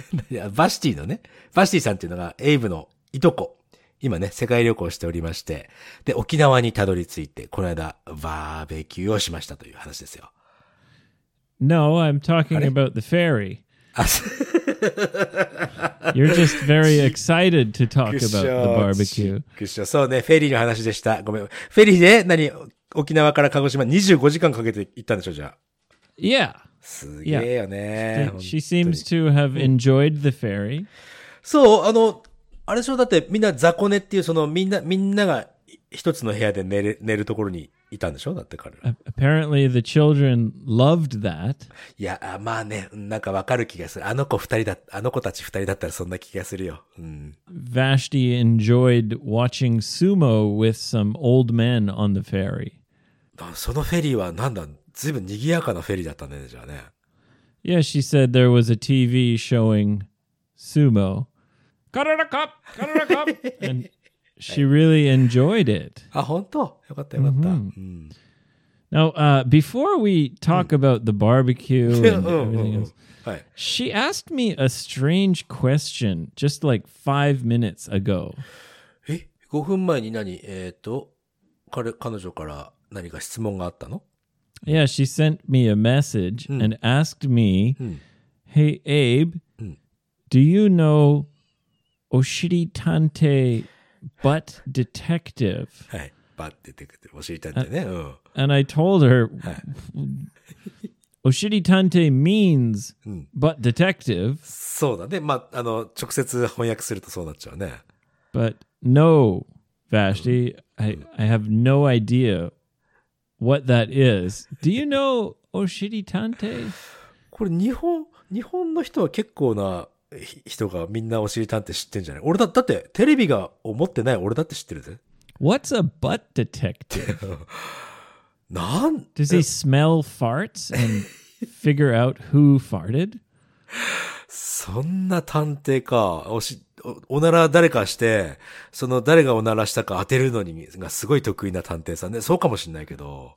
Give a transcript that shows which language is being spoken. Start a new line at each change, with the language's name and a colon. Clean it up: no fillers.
Japanese: いやバシティのね、バシティさんっていうのがエイブのいとこ、今ね世界旅行しておりまして、で沖縄にたどり着いてこの間バーベキューをしましたという話ですよ。
English: No, I'm talking about the ferry. You're just very excited to talk about the barbecue.
Japanese: そうね、フェリーの話でした。ごめん。フェリーで何、沖縄から鹿児島25時間かけて行ったんでしょ。じゃあ
English: Yeah.
Japanese: すげえよね。
English: She seems to have enjoyed the ferry.
Japanese: そう、あれでしょ、だってみんな雑魚寝っていう、そのみんなが一つの部屋で寝るところにいたんでしょ、だって彼ら。
English: Apparently the children loved that.
Japanese: いや、まあね、なんかわかる気がする。あの子たち二人だったらそんな気がするよ。うん。
English: Vashti enjoyed watching sumo with some old men on the ferry.
Japanese: そのフェリーはなんだ、ずいぶん賑やかなフェリーだったね、じゃあね。
English: Yeah, she said there was a TV showing sumo. カララカップ、カララカップ。 And she really enjoyed it.
Japanese: あ、本当？よかった、よかった。Mm-hmm. Mm.
English: Now, before we talk about the barbecue and everything else, she asked me a strange question just like 5 minutes ago.
Japanese: え、5分前に何、彼女から何か質問があったの？
English: Yeah, she sent me a message and asked me, Hey Abe, do you know Oshiri Tante Butt Detective? Hey, Butt Detective, Oshiri Tante, ne? And I told her, Oshiri Tante means Butt Detective.
Japanese: そうだね。まあ、直接翻訳するとそうなっちゃうね。
English: But no, Vashti, I have no idea. What that is. Do you know Oshiri Tante?
Japanese: これ日本の人は結構な人がみんなOshiri Tanteて知ってんじゃない？俺だってテレビが持ってない俺だって知ってるぜ。
English: What's a butt detective?
Japanese: なん？
English: Does he smell farts and figure out who farted?
Japanese: そんな探偵か。おなら誰かして、その誰がおならしたか当てるのにがすごい得意な探偵さんね。そうかもしれないけど。